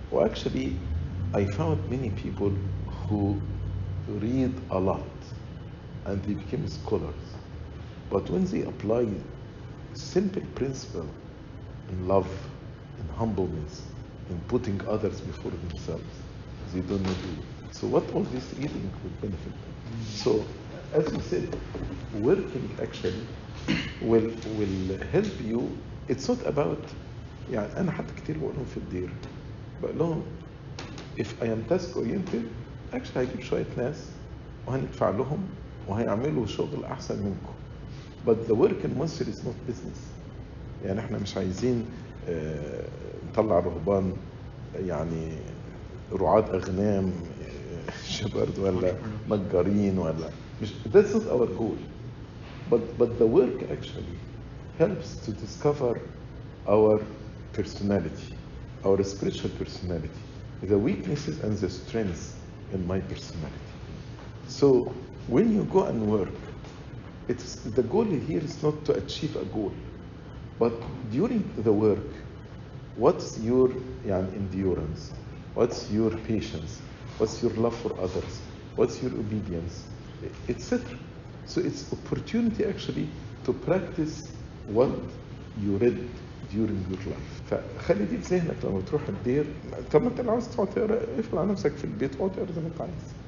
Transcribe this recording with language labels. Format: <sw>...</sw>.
<en>Well, actually I found many people who read a lot and they became scholars, but when they apply simple principle in love, in humbleness, in putting others before themselves, they don't know do. So what all this reading would benefit them? So as you said, working actually will help you. It's not about</en> <ar>يعني أنا حتى كتير بقولهم في الدير بقولهم</ar> <en>if I am task oriented, actually</en> <ar>هيجيب شوية ناس وهندفع لهم وهيعملوا شغل أحسن منكم.</ar> <en>But the work in monastery is not business.</en> <ar>يعني احنا مش عايزين نطلع رهبان يعني رعاة أغنام شبرد ولا نجارين ولا مش</ar> <en>that's not our goal. But the work actually helps to discover our personality, our spiritual personality, the weaknesses and the strengths in my personality. So when you go and work, it's the goal here is not to achieve a goal, But during the work, what's your endurance? What's your patience? What's your love for others? What's your obedience, etc.? So it's opportunity actually to practice what you read during your life.</en> <ar>فخلي دي في ذهنك لما تروح الدير. طب ما انت لو عايز تقعد تقرا اقفل على نفسك في البيت اقعد تقرا زي ما انت عايز.</ar>